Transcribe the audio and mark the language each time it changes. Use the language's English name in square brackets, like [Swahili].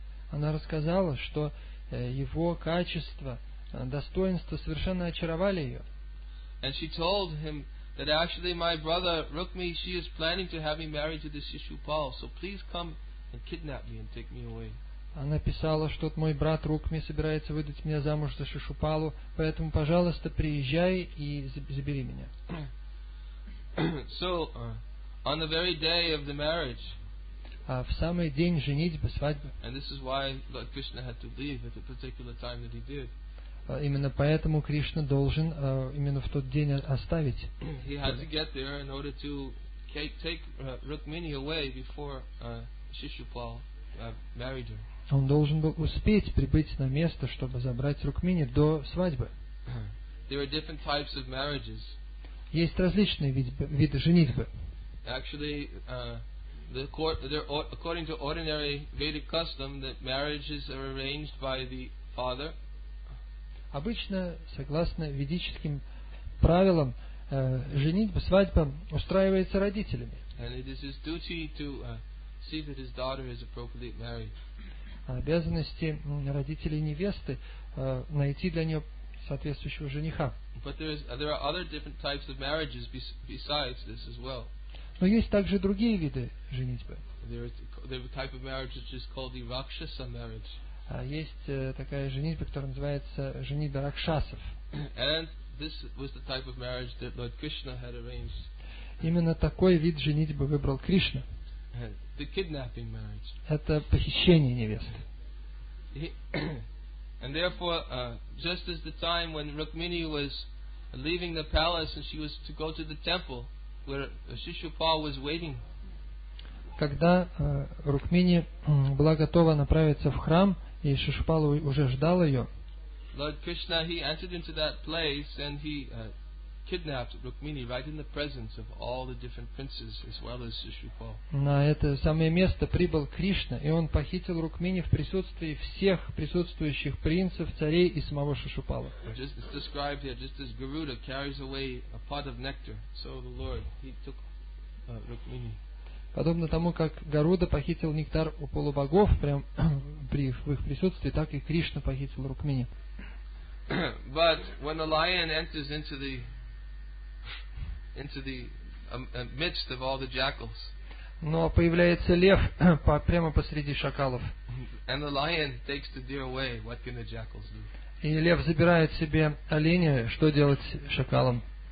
[Russian] Она рассказала, что его качества, достоинства совершенно очаровали ее. [English] And she told him, that actually my brother Rukmi, she is planning to have me married to this Shishupal, so please come and kidnap me and take me away. [Russian] Она писала, что мой брат Рукми собирается выдать меня замуж за Шишупалу, поэтому, пожалуйста, приезжай и забери меня. [English] So, on the very day of the marriage, [Russian] в самый день женитьбы, свадьбы, [English] and this is why Lord Krishna had to leave at the particular time that he did. [Russian] Именно поэтому Кришна должен именно в тот день оставить. [English] He had to get there in order to take Rukmini away before Shishupal married her. [Russian] Он должен был успеть прибыть на место, чтобы забрать Рукмини до свадьбы. [English] There are different types of marriages. [Russian] Есть различные виды женитьбы. [English] Actually, according to ordinary Vedic custom, that marriages are arranged by the father. [Russian] Обычно, согласно ведическим правилам, женитьба, свадьба устраивается родителями. [English] And it is his duty to see that his daughter is appropriately married. [Russian] Обязанности родителей невесты найти для нее соответствующего жениха. [English] But there are other different types of marriages besides this as well. [Russian] Но есть также другие виды женитьбы. [English] There is a type of marriage which is called the Rakshasa marriage. [Russian] Есть такая женитьба, которая называется женитьба ракшасов. [English] And this was the type of marriage that Lord Krishna had arranged. [Russian] Именно такой вид женитьбы выбрал Кришна. [English] The kidnapping marriage. [Russian] Это похищение невесты. [English] And therefore, just as the time when Rukmini was leaving the palace and she was to go to the temple where Shishupal was waiting. [Russian] Когда Рукмини была готова направиться в храм, и Шишупала уже ждал ее. [English] Lord Krishna, he entered into that place and he kidnapped Rukmini right in the presence of all the different princes as well as Shishupal. [Russian] На это самое место прибыл Кришна, и он похитил Рукмини в присутствии всех присутствующих принцев, царей и самого Шишупала. [English] It's described here just as Garuda carries away a pot of nectar, so the Lord he took Rukmini. [Russian] Подобно тому, как Гаруда похитил нектар у полубогов прям в их присутствии, так и Кришна похитил Рукмини. [English] But when a lion enters into the midst of all the jackals. [Russian] Но появляется лев прямо посреди шакалов. [English] And the lion takes the deer away. What can the jackals do? [Russian] и лев забирает себе оленя, что делать шакалам?